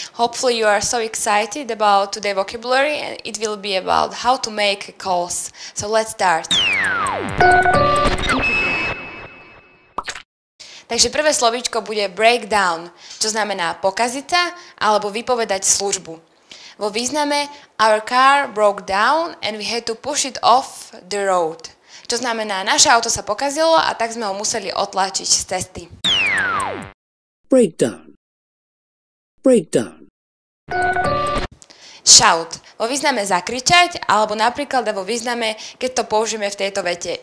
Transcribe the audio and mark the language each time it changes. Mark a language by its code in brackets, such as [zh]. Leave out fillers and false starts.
[en] Hopefully you are so excited about today's vocabulary, and it will be about how to make calls. So let's start. [sk] Takže prvé slovíčko bude breakdown, čo znamená pokaziť sa alebo vypovedať službu. Vo význame [en] our car broke down and we had to push it off the road. [sk] Čo znamená naše auto sa pokazilo a tak sme ho museli otlačiť z cesty. [en] Breakdown. Breakdown. Shout. [sk] Vo význame zakričať, alebo napríklad vo význame, keď to použijeme v tejto vete.